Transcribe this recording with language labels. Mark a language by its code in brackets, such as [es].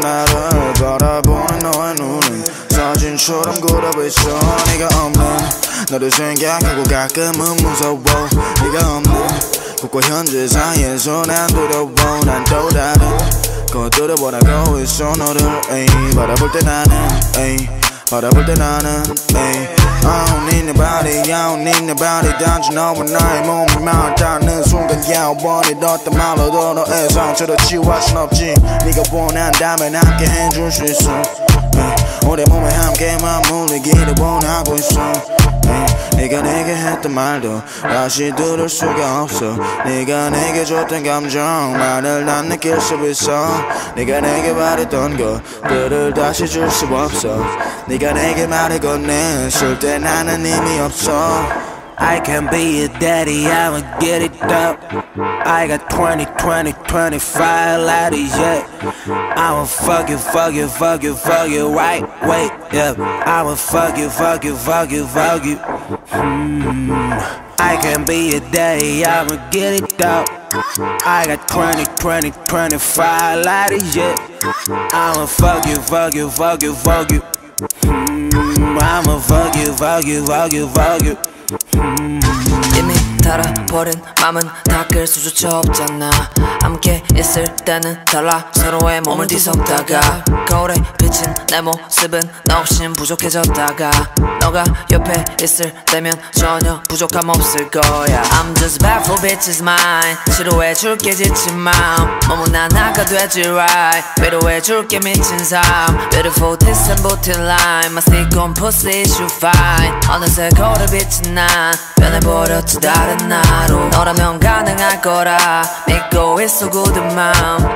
[ko] 나를 바라보는 너의 눈은 사진처럼 굳어있어. 네가 없는 너를 생각하고 가끔은 무서워. 네가 없는 국과 현재 사이에서 난 두려워. 난 또 다른 것들을 원하고 있어 너를. 바라볼 때 나는 바라볼 때 나는 [en] I don't need nobody, I don't need nobody. [ko] 단지 너와 나의 몸이 맞닿는 순간. [en] Yeah, I want it, [ko] 어떤 말로도 너의 상처를 치유할 순 없지. 네가 원한다면 함께 해줄 수 있어. 우리 몸에 함께 맞물리기를 원하고 있어. 네가 내게 했던 말도 다시 들을 수가 없어. 네가 내게 줬던 감정만을 난 느낄 수 있어. 네가 내게 말했던 것들을 다시 줄 수 없어. 네가 내게 말을 건넸을 때 나는 힘이 없어. [en] I can be a daddy, I'ma get it up. I got 20, 25 laddies, yeah. I'ma fuck you right, wait, yeah. I'ma fuck you I can be a daddy, I'ma get it up. I got 20, 25 laddies, yeah. I'ma fuck you I'ma fuck you [ko] 이미 달아버린 맘은 닦을 수조차 없잖아. 함께 있을 때는 달라. 서로의 몸을 뒤섞다가 거울에 비친 내 모습은 너 없인 부족해졌다가 너가 옆에 있을 때면 전혀 부족함 없을 거야. [en] I'm just bad for bitches mind. [ko] 치료해줄게 지친 마음. 몸은 난 아까 되지 right. 위로해줄게 미친 삶. [en] Beautiful tits and booty line. My stick on pussy should fine. [ko] 어느새 거울에 비친 난 변해버렸지 다른 나로. 너라면 가능할 거라 믿고 있어 굳은 마음.